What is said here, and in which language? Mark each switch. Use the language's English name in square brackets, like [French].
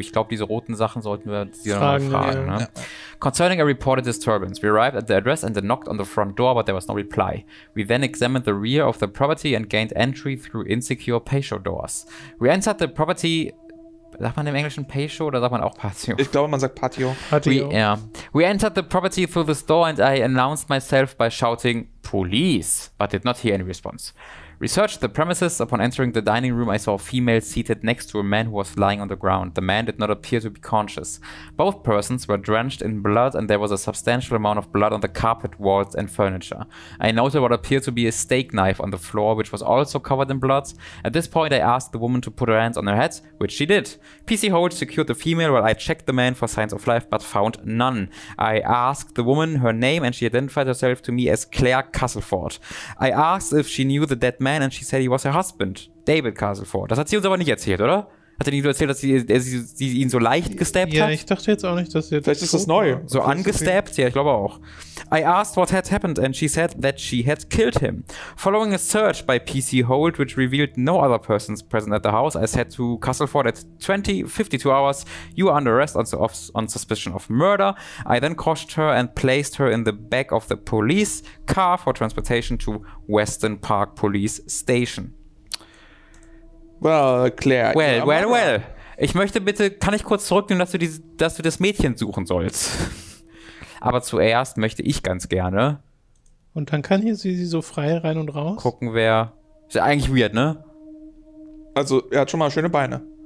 [German] Ich glaube, diese roten Sachen sollten wir dir nochmal fragen. Ja. Ne? Ja. [English] Concerning a reported disturbance, we arrived at the address and then knocked on the front door, but there was no reply. We then examined the rear of the property and gained entry through insecure patio doors. We entered the property. [German] Sagt man im Englischen Patio oder sagt man auch Patio? Ich glaube, man sagt Patio. [English] We entered the property through the store and I announced myself by shouting police, but did not hear any response. Researched the premises. Upon entering the dining room, I saw a female seated next to a man who was lying on the ground. The man did not appear to be conscious. Both persons were drenched in blood and there was a substantial amount of blood on the carpet, walls and furniture. I noted what appeared to be a steak knife on the floor, which was also covered in blood. At this point, I asked the woman to put her hands on her head, which she did. PC Holt secured the female while I checked the man for signs of life, but found none. I asked the woman her name and she identified herself to me as Claire Castleford. I asked if she knew the dead man and she said he was her husband, David Castleford. [German] Das hat sie uns aber nicht erzählt, oder? Hat sie nicht nur erzählt, dass sie ihn so leicht gestabbt hat? Ja, ich dachte jetzt auch nicht, dass sie jetzt vielleicht ist das neu. So angestabbt? Ja, ich glaube auch. [English] I asked what had happened and she said that she had killed him. Following a search by PC Holt, which revealed no other persons present at the house, I said to Castleford at 20:52 hours, you are under arrest on suspicion of murder. I then cautioned her and placed her in the back of the police car for transportation to Weston Park Police Station. Well, Claire. Well. [German] Ich möchte bitte, kann ich kurz zurücknehmen, dass du das Mädchen suchen sollst? Aber zuerst möchte ich ganz gerne. Und dann kann hier sie so frei rein und raus? Gucken, wer. Ist ja eigentlich weird, ne? Also, er hat schon mal schöne Beine.